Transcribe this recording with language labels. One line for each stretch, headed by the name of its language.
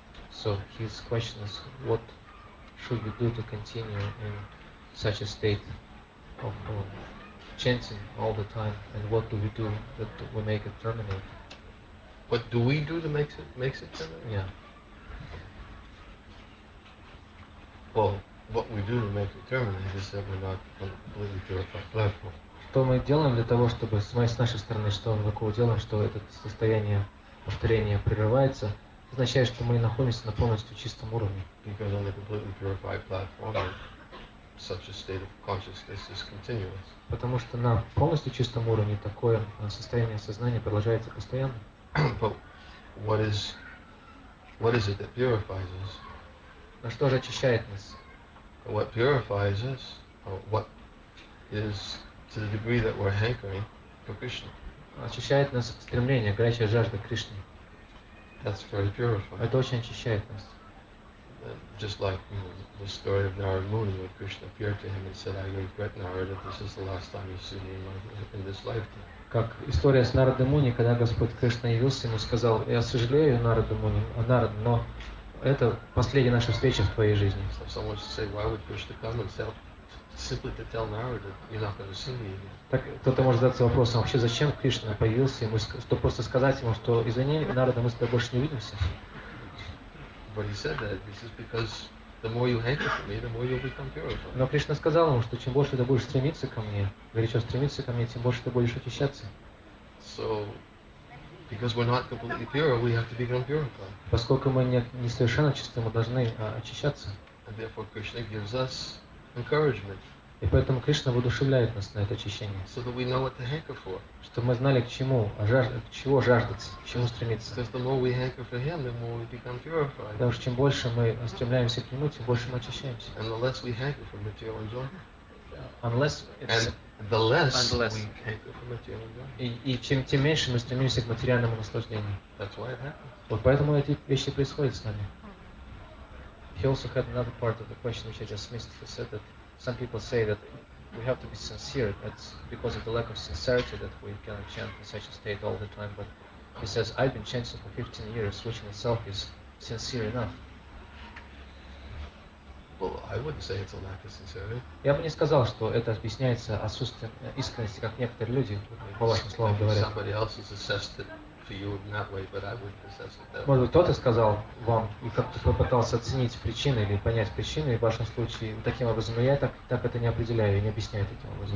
English: So his question is, what should we do to continue in such a state of chanting all the time, and what do we do that we make it terminate? What do we do that makes it terminate? Yeah. Well, what we do to make it terminate is that we're not completely purified platform.
Russian: Что мы делаем для того, чтобы с нашей стороны, что мы такого делаем, что это состояние повторения прерывается, означает, что мы не находимся на полностью чистом уровне.
English: Because on a completely purified platform, such a state of consciousness is continuous.
Russian: Потому что на полностью чистом уровне такое состояние сознания продолжается постоянно.
English: But what is it that purifies us?
Russian: На что же очищает нас?
English: What purifies us, or what is to the degree that we're hankering for Krishna?
Russian: Очищает нас стремление, горячая жажда Кришны.
English: That's very purifying.
Russian: Это очень очищает нас.
English: Just like the story of Narada Muni, when Krishna appeared to him and said, "I regret, Narada, this is the last time you see me in this lifetime."
Russian: Как история с Нарадой Муни, когда Господь Кришна явился ему, сказал: "Я сожалею, Нарада Муни, Нарада, но это последняя наша встреча в твоей жизни."
English: So someone should say, "Why would Krishna come and tell, simply to tell Narada, you're not going to see me?"
Russian: Так кто-то может задаться вопросом: вообще зачем Кришна появился ему, чтобы просто сказать ему, что извини, Нарада, мы с тобой больше не увидимся?
English: But he said that this is because the more you hanker for me, the more you'll become purified.
Russian: Но Кришна сказал ему, что чем больше ты будешь стремиться ко мне, горячо стремиться ко мне, тем больше ты будешь очищаться.
English: So, because we're not completely pure, we have to become purified.
Russian: Поскольку мы не совершенно чисты, мы должны очищаться.
English: And therefore Krishna gives us encouragement.
Russian: И поэтому Кришна воодушевляет нас на это очищение.
English: So that we know what to hanker for.
Russian: Чтобы мы знали, к чему к чего жаждаться, к чему стремиться.
English: Because the more we hanker for him, the more we become purified.
Russian: Потому что чем больше мы стремляемся к нему, тем больше мы очищаемся.
English: And the less we hanker for material enjoyment. Unless the less we hanker for material enjoyment.
Russian: И тем меньше мы стремимся к материальному наслаждению.
English: That's why it happens.
Russian: Вот поэтому эти вещи происходят с нами.
English: He also had another part of the question which I just missed. He said that some people say that we have to be sincere. That's because of the lack of sincerity that we cannot chant in such a state all the time. But he says, I've been chanting for 15 years, which in itself is sincere enough. Well, I wouldn't say it's a lack of sincerity.
Russian: Я бы не сказал, что это объясняется отсутствием искренности, как некоторые люди, по вашим словам, говорят.
English: Somebody else has assessed it for you in that way, but I wouldn't assess it that way.
Russian: Может быть, кто-то сказал вам, и как-то попытался оценить причины или понять причины, и в вашем случае таким образом, но я так это не определяю и не объясняю таким образом.